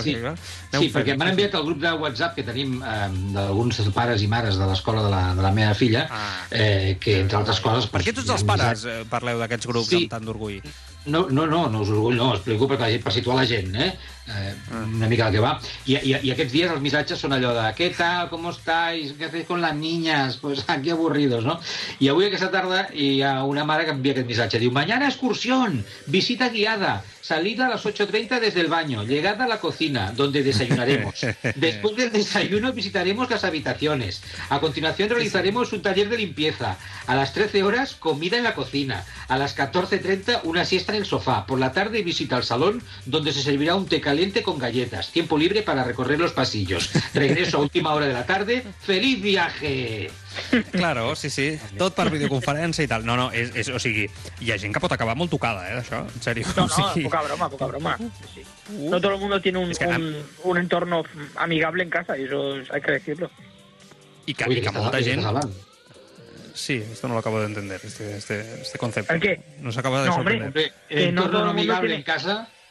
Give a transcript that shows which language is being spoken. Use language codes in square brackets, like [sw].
[ca] Sí, perquè m'han enviat el grup de WhatsApp que tenim d'alguns pares i mares de l'escola de la meva filla, que, entre altres coses... Per què tots els pares parleu d'aquests grups amb tant d'orgull? No us orgullo, no, explico per situar la gent, una mica el que va. I aquests dies els missatges són allò de què tal, com estàs, què fas amb les niñas, [es] pues aquí aburridos, [ca] no? I avui aquesta tarda hi ha una mare que envia aquest missatge, diu: [es] mañana excursión, visita guiada, salida a las 8:30 desde el baño, llegada a la cocina, donde desayunaremos. Después del desayuno visitaremos las habitaciones. A continuación realizaremos un taller de limpieza. A las 13 horas, comida en la cocina. A las 14:30, una siesta en el sofá. Por la tarde, visita al salón, donde se servirá un té caliente con galletas. Tiempo libre para recorrer los pasillos. Regreso a última hora de la tarde. ¡Feliz viaje! Claro, sí, sí. [ca] Tot per videoconferència i tal. No, no, és, o sigui, hi ha gent que pot acabar molt tocada, d'això, en sèrio. No, poca broma. Sí. [es] No todo el mundo tiene un entorno amigable en casa, eso hay que decirlo. [ca] I que molta gent... [es] Sí, esto no lo acabo de entender, este concepto. ¿El qué? Nos acaba de sorprender. No, hombre, que entorno no amigable tiene... en casa...